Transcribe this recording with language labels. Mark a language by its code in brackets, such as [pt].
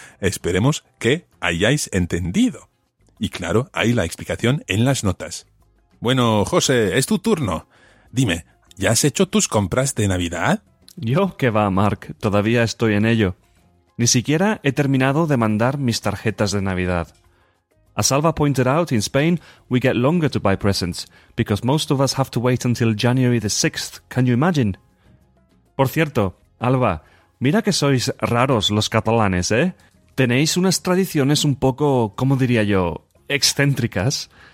[es] Esperemos que hayáis entendido. Y claro, hay la explicación en las notas. Bueno, José, es tu turno. Dime, ¿ya has hecho tus compras de Navidad? Yo, qué va, Mark, todavía estoy en ello. Ni siquiera he terminado de mandar mis tarjetas de Navidad. [en] As Alva pointed out, in Spain, we get longer to buy presents, because most of us have to wait until January the 6th, can you imagine? [es] Por cierto, Alba, mira que sois raros los catalanes, ¿eh? Tenéis unas tradiciones un poco, ¿cómo diría yo?, excéntricas.